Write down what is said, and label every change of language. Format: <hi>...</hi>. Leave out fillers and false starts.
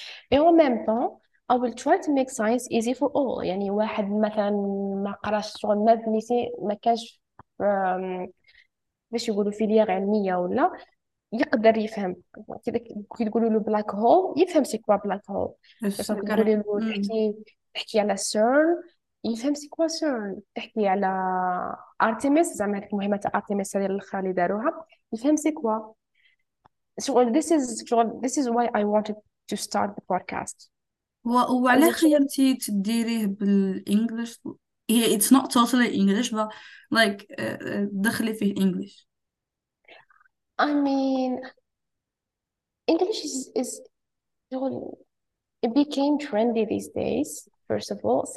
<en>And at the same time, I will try to make science easy for all.</en> <ar>يعني واحد مثلاً ما قرأش شغل مدرسي ما كانش باش يقولوا في لياقة علمية ولا يقدر يفهم. كي تقولوا له بلاك هول يفهم سيكوا بلاك هول. بس كي تقولوا له تحكي على سيرن يفهم سيكوا سيرن. تحكي على أرتميس زعما هذيك مهمة أرتميس هذه الخالي داروها يفهم سيكوا.</ar> <en>So this is why I wanted to start the podcast.</en> <ar>وعلاش خيرتي تديريه بالانجلش؟ هي</ar> <en>it's not totally English but like</en> <ar>دخلي فيه English.</ar> <en>I mean, English is it became trendy these days, first of all.</en>